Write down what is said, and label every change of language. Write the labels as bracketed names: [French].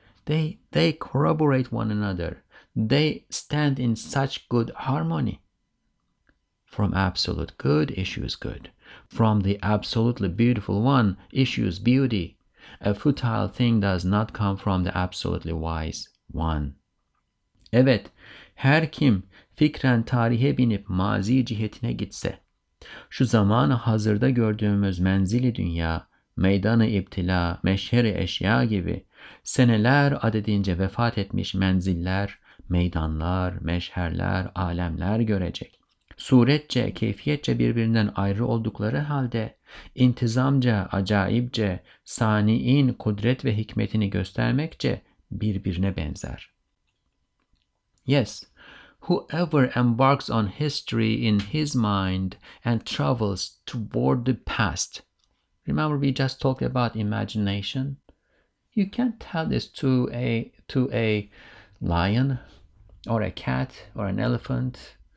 [English] They corroborate one another. They stand in such good harmony. From absolute good issues good. From the absolutely beautiful one issues beauty. A futile thing does not come from the absolutely wise one. [Turkish] Evet, her kim fikren tarihe binip mazi cihetine gitse, şu zamanı hazırda gördüğümüz menzili dünya, meydanı iptila, meşheri eşya gibi, seneler adedince vefat etmiş menziller, meydanlar, meşherler, alemler görecek. Suretçe, keyfiyetçe birbirinden ayrı oldukları halde, intizamca, acayipçe, saniin kudret ve hikmetini göstermekçe birbirine benzer. [English] Yes, whoever embarks on history in his mind and travels toward the past. Remember, we just talked about imagination. You can't tell this to a lion or a cat or an elephant.